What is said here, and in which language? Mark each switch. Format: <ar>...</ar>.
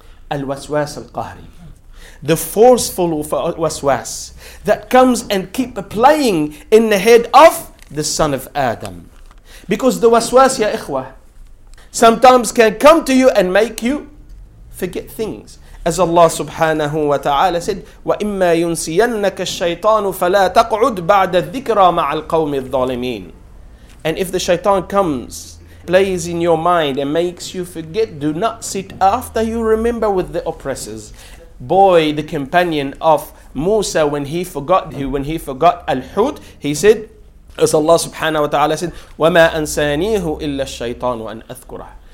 <ar>الوسواس القهري.</ar> <en>The forceful waswas that comes and keep playing in the head of the son of Adam. Because the waswas, ya ikhwa, sometimes can come to you and make you forget things. As Allah subhanahu wa ta'ala said,</en> <ar>وَإِمَّا يُنْسِيَنَّكَ الشَّيْطَانُ فَلَا تَقْعُدْ بَعْدَ الذِّكْرَى مَعَ الْقَوْمِ الظَّالِمِينَ.</ar> <en>And if the shaitan comes, plays in your mind and makes you forget, do not sit after you remember with the oppressors. Boy, the companion of Musa, when he forgot Al-Hud, he said, as Allah subhanahu wa ta'ala said,</en> <ar>وَمَا أَنْسَانِيهُ إِلَّا الشَّيْطَانُ أَنْ أَذْكُرَهُ.</ar>